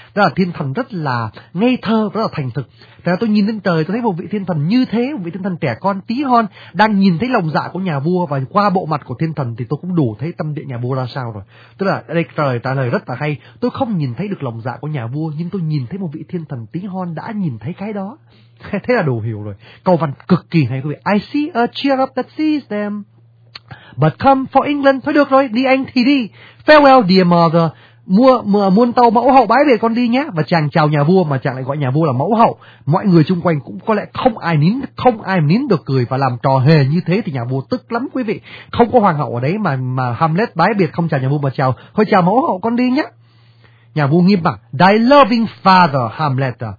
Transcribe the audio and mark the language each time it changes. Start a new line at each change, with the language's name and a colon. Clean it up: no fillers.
Vietnamese: Đó là thiên thần rất là ngây thơ, rất là thành thực. Thế là tôi nhìn lên trời, tôi thấy một vị thiên thần như thế, một vị thiên thần trẻ con tí hon đang nhìn thấy lòng dạ của nhà vua. Và qua bộ mặt của thiên thần thì tôi cũng đủ thấy tâm địa nhà vua ra sao rồi. Tức là đây trả lời rất là hay, tôi không nhìn thấy được lòng dạ của nhà vua, nhưng tôi nhìn thấy một vị thiên thần tí hon đã nhìn thấy cái đó. Thế là đủ hiểu rồi. Câu văn cực kỳ hay quý vị.
English: I see a cherub that sees them, but come for England.
Vietnamese: Thôi được rồi, đi anh thì đi.
English: Farewell dear mother,
Vietnamese: muôn tàu mẫu hậu bái biệt con đi nhé. Và chàng chào nhà vua mà chàng lại gọi nhà vua là mẫu hậu, mọi người chung quanh cũng có lẽ không ai nín được cười và làm trò hề như thế, thì nhà vua tức lắm quý vị. Không có hoàng hậu ở đấy mà Hamlet bái biệt không chào nhà vua mà chào, thôi chào mẫu hậu con đi nhé. Nhà vua nghiêm mặt,
English: thy loving father Hamlet,